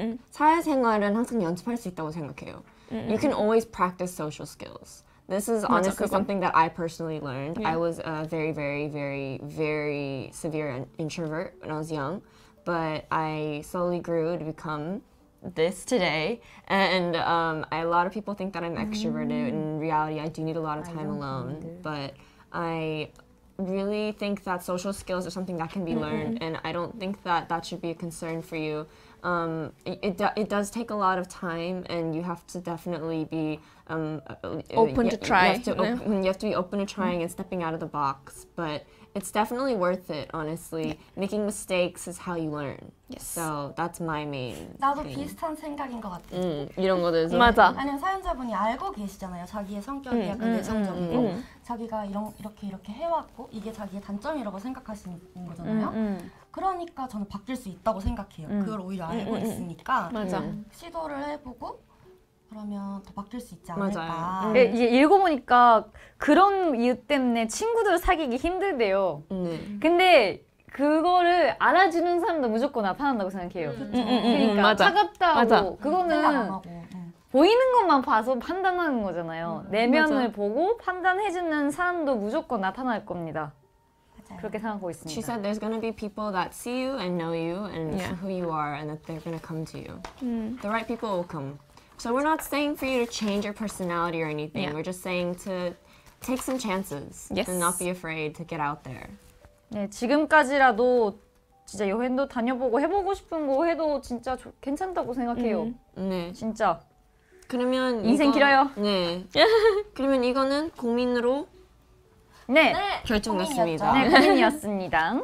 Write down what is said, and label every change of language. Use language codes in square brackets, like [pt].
[ko] 사회생활은 항상 연습할 수 있다고 생각해요. [en] You can always practice social skills. This is honestly something that I personally learned. Yeah. I was a very, very, very, very severe introvert when I was young. But I slowly grew to become this today. And a lot of people think that I'm extroverted. In reality, I do need a lot of time alone. But I really think that social skills are something that can be learned, and I don't think that that should be a concern for you. It does take a lot of time, and you have to definitely be open to try. You have to be open to trying and stepping out of the box, but it's definitely worth it, honestly. Yeah. Making mistakes is how you learn. Yes. So that's my main [ko] 나도 thing. 비슷한 생각인 것 같아요. 이런 거 대해서. 맞아. 아니 사연자분이 알고 계시잖아요. 자기의 성격이 약간 내성적이고 자기가 이렇게 해왔고 이게 자기의 단점이라고 생각하시는 거잖아요. 그러니까 저는 바뀔 수 있다고 생각해요. 그걸 오히려 알고 있으니까 맞아. 시도를 해보고 그러면 더 바뀔 수 있지 맞아요. 않을까. 이제 읽어보니까 그런 이유 때문에 친구들 사귀기 힘들대요. 근데 그거를 알아주는 사람도 무조건 나타난다고 생각해요. 그러니까 맞아. 차갑다고 맞아. 그거는 보이는 것만 봐서 판단하는 거잖아요. 내면을 맞아. 보고 판단해주는 사람도 무조건 나타날 겁니다. 맞아요. 그렇게 생각하고 있습니다. [en] She said there's gonna be people that see you and know you and yeah. who you are and that they're gonna come to you. The right people will come. So we're not saying for you to change your personality or anything. Yeah. We're just saying to take some chances yes. and not be afraid to get out there. [ko] 네, 지금까지라도 진짜 여행도 다녀보고 해보고 싶은 거 해도 진짜 괜찮다고 생각해요. 네. 진짜. 그러면 인생 길어요. 네. 그러면 이거는 고민으로 네. 결정됐습니다. 네, 고민이었습니다.